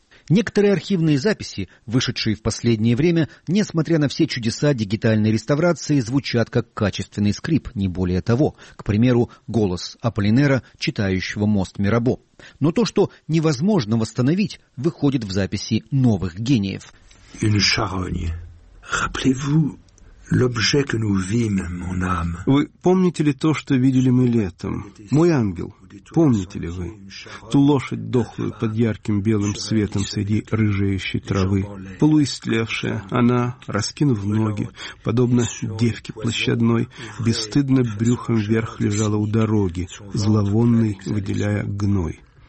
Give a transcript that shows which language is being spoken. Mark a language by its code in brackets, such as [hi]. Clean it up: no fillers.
[ru] Некоторые архивные записи, вышедшие в последнее время, несмотря на все чудеса дигитальной реставрации, звучат как качественный скрип, не более того. К примеру, голос Аполлинера, читающего «Мост Мирабо». Но то, что невозможно восстановить, выходит в записи новых гениев. [fr] Une charogne. Rappelez-vous l'objet que nous vîmes, mon âme. [ru] Вы помните ли то, что видели мы летом? Мой ангел, помните ли вы? Ту лошадь дохлую под ярким белым светом среди рыжеющей травы. Полуистлевшая, она, раскинув ноги, подобно девке площадной, бесстыдно брюхом вверх лежала у дороги, зловонной выделяя гной.